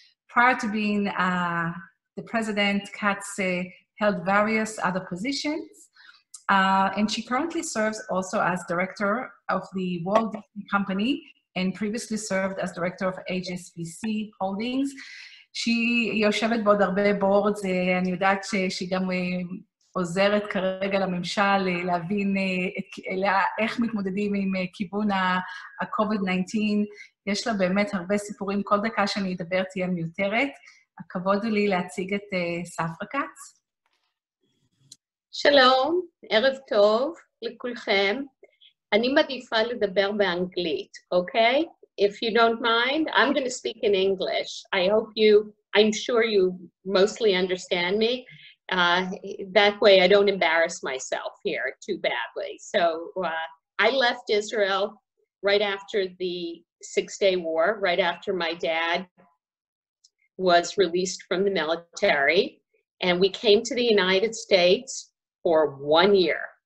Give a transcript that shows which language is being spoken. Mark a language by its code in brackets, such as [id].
[en] Prior to being the president, Katz held various other positions, and she currently serves also as director of the Walt Disney Company and previously served as director of HSBC Holdings. She [he] יושבת בעוד הרבה boards, אני יודעת שהיא גם עוזרת כרגע לממשל להבין איך מתמודדים עם כיוון ה-COVID-19. יש לה באמת הרבה סיפורים, כל דקה שאני אדבר תהיה מיותרת. הכבוד לי להציג את ספרה כץ. שלום, ערב טוב לכולכם. אני מעדיפה לדבר באנגלית, אוקיי? [en] If you don't mind, I'm going to speak in English. I'm sure you mostly understand me. That way I don't embarrass myself here too badly. So I left Israel right after the Six-Day War, right after my dad was released from the military, and we came to the United States for 1 year.